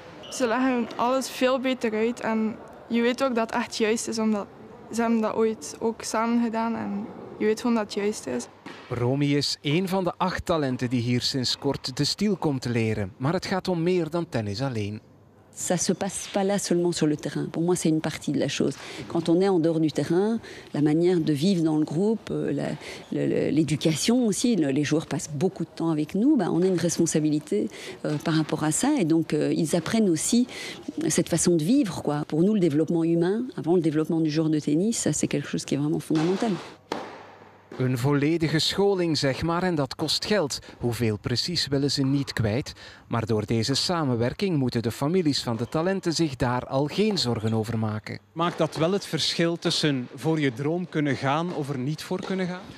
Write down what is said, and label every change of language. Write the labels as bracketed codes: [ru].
[nl] Ze leggen alles veel beter uit en je weet ook dat het echt juist is, omdat ze hebben dat ooit ook samen gedaan en je weet gewoon dat het juist is. Romy is één van de 8 talenten die hier sinds kort de stijl komt leren. Maar het gaat om meer dan tennis alleen. [fr] Ça se passe pas là seulement sur le terrain. Pour moi, c'est une partie de la chose. Quand on est en dehors du terrain, la manière de vivre dans le groupe, l'éducation aussi, les joueurs passent beaucoup de temps avec nous, ben, on a une responsabilité par rapport à ça. Et donc, ils apprennent aussi cette façon de vivre, quoi. Pour nous, le développement humain, avant le développement du joueur de tennis, ça, c'est quelque chose qui est vraiment fondamental. [nl] Een volledige scholing, zeg maar, en dat kost geld. Hoeveel precies willen ze niet kwijt? Maar door deze samenwerking moeten de families van de talenten zich daar al geen zorgen over maken. Maakt dat wel het verschil tussen voor je droom kunnen gaan of er niet voor kunnen gaan?